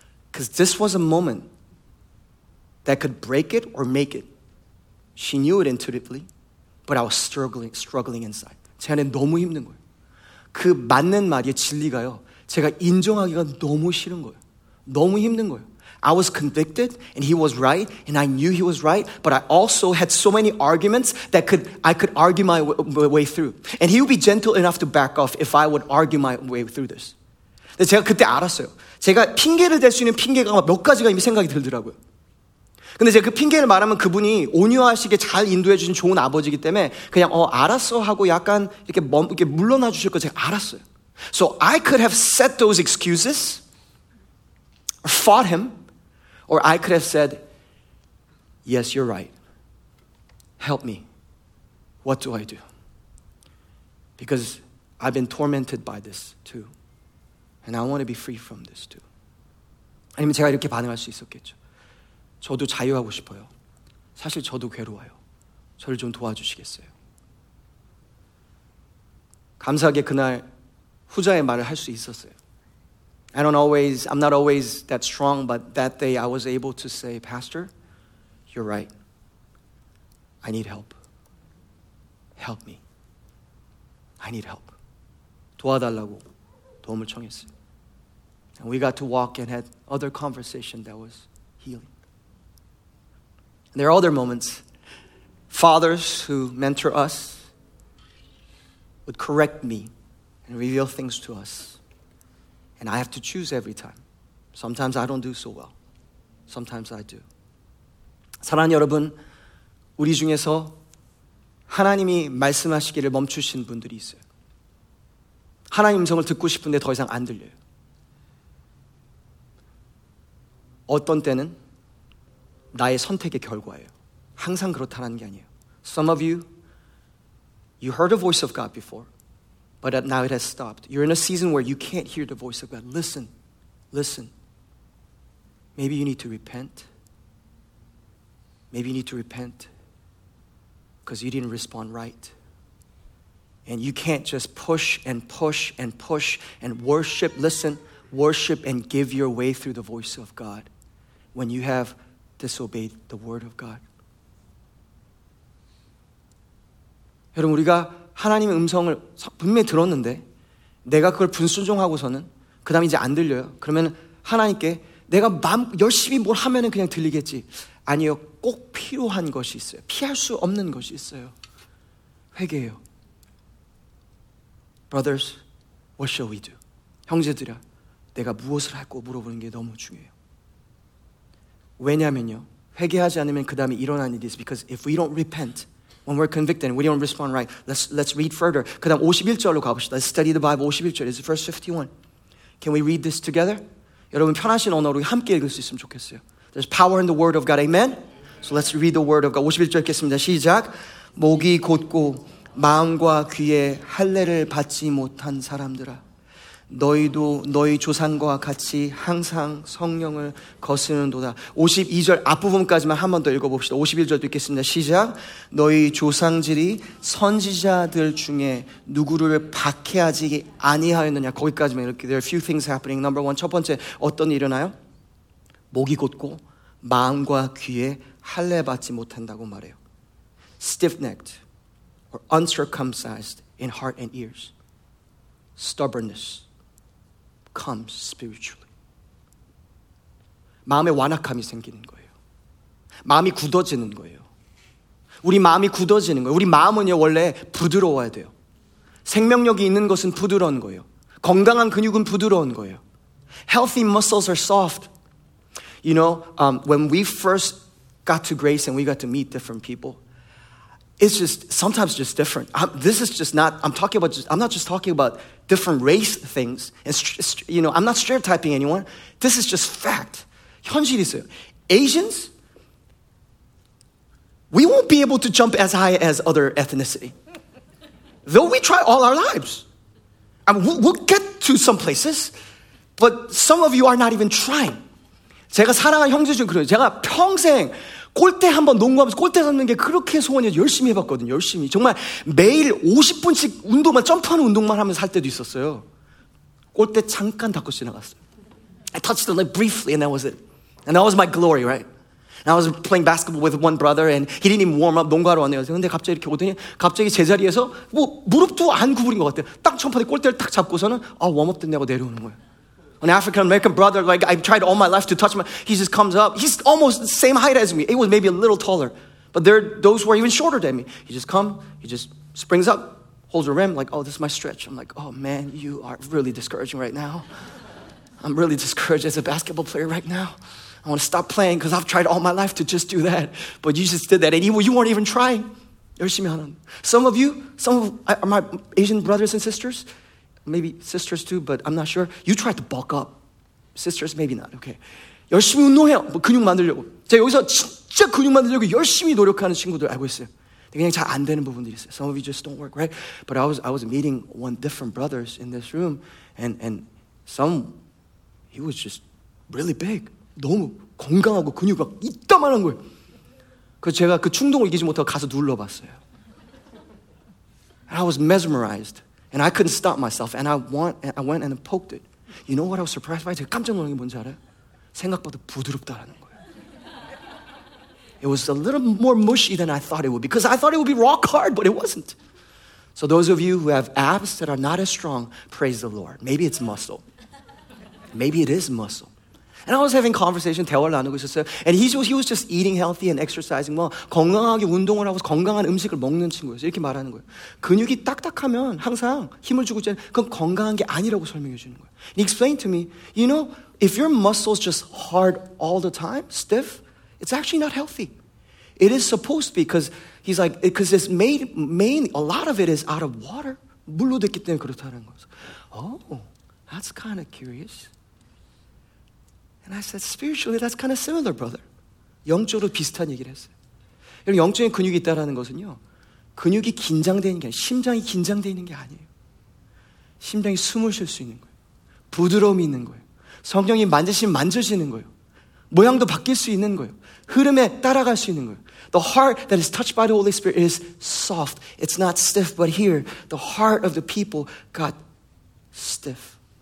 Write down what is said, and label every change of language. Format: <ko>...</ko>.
<en>Because this was a moment that could break it or make it. She knew it intuitively, but I was struggling inside.</en> <ko>제 안에 너무 힘든 거예요. 그 맞는 말이 진리가요. 제가 인정하기가 너무 싫은 거예요. 너무 힘든 거예요.</ko> <en>I was convicted and he was right and I knew he was right but I also had so many arguments that I could argue my way through. And he would be gentle enough to back off if I would argue my way through this.</en> <ko>근데 제가 그때 알았어요. 제가 핑계를 댈 수 있는 핑계가 몇 가지가 이미 생각이 들더라고요. 근데 제가 그 핑계를 말하면 그분이 온유하시게 잘 인도해 주신 좋은 아버지이기 때문에 그냥 알았어 하고 약간 이렇게 물러나 주실 거 제가 알았어요.</ko> <en>So I could have set those excuses, or fought him, or I could have said, yes, you're right. Help me. What do I do? Because I've been tormented by this too. And I want to be free from this too.</en> <ko>아니면 제가 이렇게 반응할 수 있었겠죠. 저도 자유하고 싶어요. 사실 저도 괴로워요. 저를 좀 도와주시겠어요? 감사하게 그날 후자의 말을 할 수 있었어요.</ko> <en>I'm not always that strong, but that day I was able to say, Pastor, you're right. I need help. Help me. I need help.</en> <ko>도와달라고 도움을 청했어요.</ko> <en>And we got to walk and had other conversation that was healing. There are other moments. Fathers who mentor us would correct me and reveal things to us. And I have to choose every time. Sometimes I don't do so well. Sometimes I do.</en> <ko>사랑하는 여러분, 우리 중에서 하나님이 말씀하시기를 멈추신 분들이 있어요. 하나님 음성을 듣고 싶은데 더 이상 안 들려요. 어떤 때는 나의 선택의 결과예요. 항상 그렇다는 게 아니에요.</ko> <en>Some of you, you heard a voice of God before, but now it has stopped. You're in a season where you can't hear the voice of God. Listen, listen. Maybe you need to repent. Maybe you need to repent because you didn't respond right. And you can't just push and push and push and worship, listen, worship and give your way through the voice of God when you have disobeyed the word of God.</en> <ko>여러분 우리가 하나님의 음성을 분명히 들었는데 내가 그걸 불순종하고서는 그 다음 이제 안 들려요. 그러면 하나님께 내가 열심히 뭘 하면은 그냥 들리겠지. 아니요. 꼭 필요한 것이 있어요. 피할 수 없는 것이 있어요. 회개예요.</ko> <en>Brothers, What shall we do?</en> <ko>형제들아, 내가 무엇을 할까 물어보는 게 너무 중요해요. 왜냐면요, 회개하지 않으면 그 다음에 일어난 일이 있어.</ko> <en>Because if we don't repent, when we're convicted, we don't respond right. Let's read further.</en> <ko>그 다음 51절로 가봅시다.</ko> <en>Let's study the Bible 51절. It's verse 51. Can we read this together?</en> <ko>여러분 편하신 언어로 함께 읽을 수 있으면 좋겠어요.</ko> <en>There's power in the word of God. Amen? So let's read the word of God.</en> <ko>51절 읽겠습니다. 시작. 목이 곧고 마음과 귀에 할례를 받지 못한 사람들아. 너희도 너희 조상과 같이 항상 성령을 거스르는도다. 52절 앞부분까지만 한 번 더 읽어봅시다. 51절도 읽겠습니다. 시작. 너희 조상들이 선지자들 중에 누구를 박해하지 아니하였느냐. 거기까지만 이렇게.</ko> <en>There are a few things happening. Number one,</en> <ko>첫 번째 어떤 일이 일어나요? 목이 곧고 마음과 귀에 할례 받지 못한다고 말해요.</ko> <en>Stiff-necked or uncircumcised in heart and ears. Stubbornness comes spiritually.</en> <ko>마음의 완악함이 생기는 거예요. 마음이 굳어지는 거예요. 우리 마음이 굳어지는 거예요. 우리 마음은요 원래 부드러워야 돼요. 생명력이 있는 것은 부드러운 거예요. 건강한 근육은 부드러운 거예요.</ko> <en>Healthy muscles are soft. You know, when we first got to Grace and we got to meet different people, it's just sometimes just different. I'm not just talking about different race things. And you know, I'm not stereotyping anyone. This is just fact.</en> <ko>현실이세요.</ko> <en>Asians, we won't be able to jump as high as other ethnicity, though we try all our lives. I mean, we'll get to some places, but some of you are not even trying.</en> <ko>제가 사랑한 형제 중 그래요. 제가 평생 골대 한번 농구하면서 골대 잡는 게 그렇게 소원이어서 열심히 해봤거든요. 열심히. 정말 매일 50분씩 운동만, 점프하는 운동만 하면서 할 때도 있었어요. 골대 잠깐 닫고 지나갔어요.</ko> <en>I touched them like briefly and that was it. And that was my glory, right? And I was playing basketball with one brother and he didn't even warm up.</en> <ko>농구하러 왔네요. 근데 갑자기 이렇게 오더니 갑자기 제자리에서 뭐 무릎도 안 구부린 것 같아요. 딱 점프하는 골대를 딱 잡고서는 아, 웜업 됐냐고 내려오는 거예요.</ko> <en>An African-American brother, like I've tried all my life to touch him. He just comes up. He's almost the same height as me. It was maybe a little taller. But there, those were even shorter than me. He just comes. He just springs up, holds a rim. Like, oh, this is my stretch. I'm like, oh, man, you are really discouraging right now. I'm really discouraged as a basketball player right now. I want to stop playing because I've tried all my life to just do that. But you just did that. And you weren't even trying.</en> <ko>열심히 하는.</ko> <en>Some of you, some of my Asian brothers and sisters, maybe sisters too, but I'm not sure. You tried to bulk up. Sisters, maybe not. Okay.</en> <ko>열심히 운동해요. 뭐 근육 만들려고. 제가 여기서 진짜 근육 만들려고 열심히 노력하는 친구들 알고 있어요. 근데 그냥 잘 안 되는 부분들이 있어요.</ko> <en>Some of you just don't work, right? But I was meeting one different brothers in this room, and some, he was just really big.</en> <ko>너무 건강하고 근육 막 이따만한 거예요. 그래서 제가 그 충동을 이기지 못하고 가서 눌러봤어요.</ko> <en>And I was mesmerized. And I couldn't stop myself. And I went and poked it. You know what I was surprised by?</en> <ko>제가 깜짝 놀란 게 뭔지 알아요? 생각보다 부드럽다라는 거예요.</ko> <en>It was a little more mushy than I thought it would. Because I thought it would be rock hard, but it wasn't. So those of you who have abs that are not as strong, praise the Lord. Maybe it's muscle. Maybe it is muscle. And I was having conversation,</en> <ko>대화를 나누고 있었어요.</ko> <en>And he was just eating healthy and exercising well.</en> <ko>건강하게 운동을 하고 건강한 음식을 먹는 친구였어요. 이렇게 말하는 거예요. 근육이 딱딱하면 항상 힘을 주고 있잖아요. 그건 건강한 게 아니라고 설명해 주는 거예요.</ko> <en>He explained to me, you know, if your muscles just hard all the time, stiff, it's actually not healthy. It is supposed to be, because he's like, because it's made mainly, a lot of it is out of water.</en> <ko>물로 됐기 때문에 그렇다는 거죠.</ko> <en>Oh, that's kind of curious. And I said, spiritually, that's kind of similar, brother.</en> <ko>영적으로 비슷한 얘기를 했어요. 여러분, 영적인 근육이 있다라는 것은요, 근육이 긴장되어 있는 게 아니에요. 심장이 긴장되어 있는 게 아니에요. 심장이 숨을 쉴 수 있는 거예요. 부드러움이 있는 거예요. 성령이 만지시면 만져지는 거예요. 모양도 바뀔 수 있는 거예요. 흐름에 따라갈 수 있는 거예요.</ko> <en>The heart that is touched by the Holy Spirit is soft. It's not stiff, but here, the heart of the people got stiff.</en>